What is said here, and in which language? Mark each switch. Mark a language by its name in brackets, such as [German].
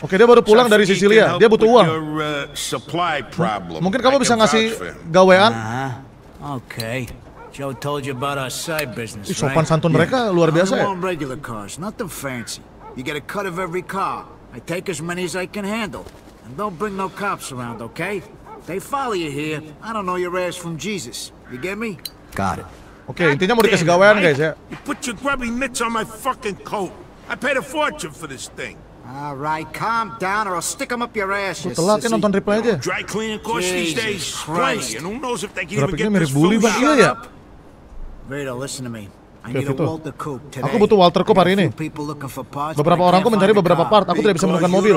[Indonesian] Okay, dia baru pulang dari Sicilia. Dia butuh uang. [English] Your, supply problem. [Indonesian] Mungkin kamu bisa ngasih gawean? [English] Okay. Joe told you about our side business, right? [Indonesian] Sopan santun mereka luar biasa ya. [English] Regular cars, nothing fancy. You get a cut of every car. I take as many as I can handle. And don't bring no cops around, okay? They follow you here. I don't know your ass from Jesus. You get me? Got it. [Indonesian] Okay, intinya mau dikasih gawean guys ya. [English] You put your grubby mitts on my fucking coat. I paid a fortune for this thing. All right, calm down or I'll stick them up your ass. [Indonesian] Telat kan nonton replay aja. [English] Dry cleaning costs these days. Christ. And who knows if they can even get this full shot up. [Indonesian] Ya. [English] Vito, listen to me. I need a Walter Coop today. [Indonesian] Aku butuh Walter Coop hari ini. Beberapa orangku mencari beberapa part. Aku tidak bisa menemukan mobil.